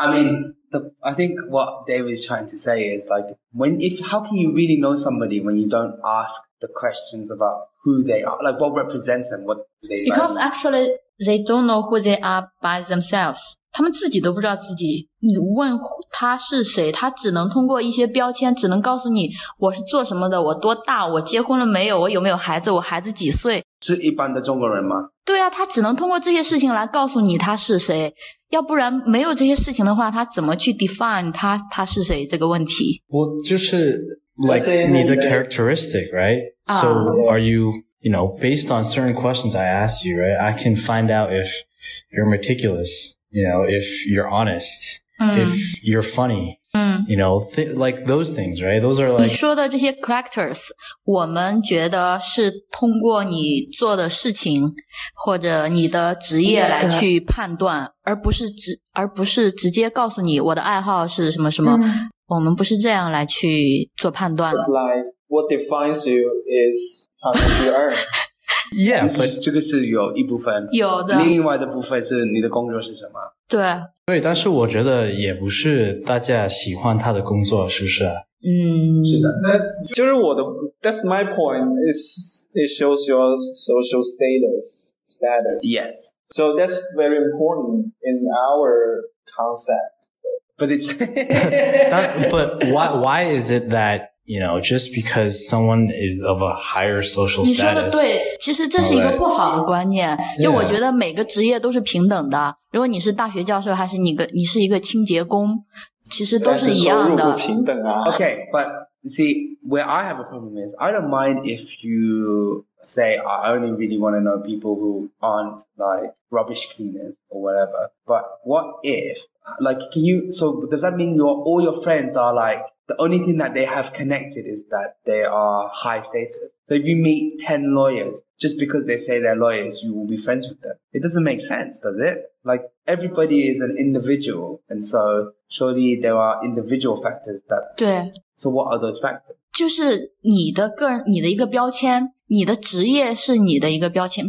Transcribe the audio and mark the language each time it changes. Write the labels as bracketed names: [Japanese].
[English] I mean, I think what David is trying to say is like, how can you really know somebody when you don't ask the questions about who they are, like what represents them, what do they? Because actually, they don't know who they are by themselves. [Chinese] 他们自己都不知道自己，你问他是谁，他只能通过一些标签，只能告诉你我是做什么的，我多大，我结婚了没有，我有没有孩子，我孩子几岁。是一般的中国人吗？对啊，他只能通过这些事情来告诉你他是谁，要不然没有这些事情的话，他怎么去 define 他是谁这个问题。我就是 like 你的 characteristic, right? [English] So are you, you know, based on certain questions I ask you, right? I can find out if you're meticulous. You know, if you're honest,、if you're funny,、you know, like those things, right? Those are like... [Chinese] 你说的这些 characters, 我们觉得是通过你做的事情或者你的职业来去判断、而不是直接告诉你我的爱好是什么什么、我们不是这样来去做判断。 [English] It's like, what defines you is how much you earn. Yeah, but [Chinese] 这个是有一部分，有的另外的部分是你的工作是什么。对对，但是我觉得也不是大家喜欢他的工作，是不是？嗯，是的。那就是我的 [English] that's my point is it shows your social status. Yes. So that's very important in our concept. But it's but why is it that you know, just because someone is of a higher social status. [Chinese] 你说的对，其实这是一个不好的观念。 [English] Right. [Chinese] 就我觉得每个职业都是平等的。 [English] Yeah. [Chinese] 如果你是大学教授，还是你是一个清洁工，其实都是一样的。收入不平等啊。 [English] Okay, but see, where I have a problem is, I don't mind if you say, I only really want to know people who aren't like rubbish cleaners or whatever. But what if, like, can you, so does that mean all your friends are like,the only thing that they have connected is that they are high status. So if you meet 10 lawyers, just because they say they're lawyers, you will be friends with them. It doesn't make sense, does it? Like, everybody is an individual. And so, surely there are individual factors that... [Chinese] 对。 [English] So what are those factors? [Chinese] 就是你的个人，你的一个标签，你的职业是你的一个标签。